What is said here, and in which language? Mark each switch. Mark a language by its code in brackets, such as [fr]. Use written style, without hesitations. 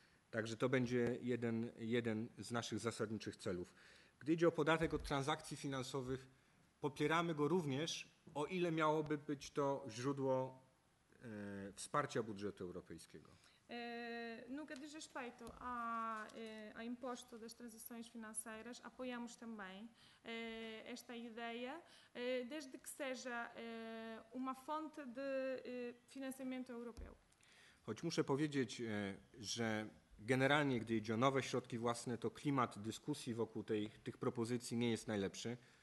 [pl] Także to będzie jeden z naszych zasadniczych celów. Gdy idzie o podatek od transakcji finansowych, popieramy go również, o ile miałoby być to źródło wsparcia budżetu europejskiego. [pt] No que diz respeito ao imposto das transações financeiras, apoiamos também esta ideia, desde que seja uma fonte de financiamento europeu. [pl] Choć muszę powiedzieć, że generalnie, gdy idzie o nowe środki własne, to klimat dyskusji wokół tych propozycji nie jest najlepszy.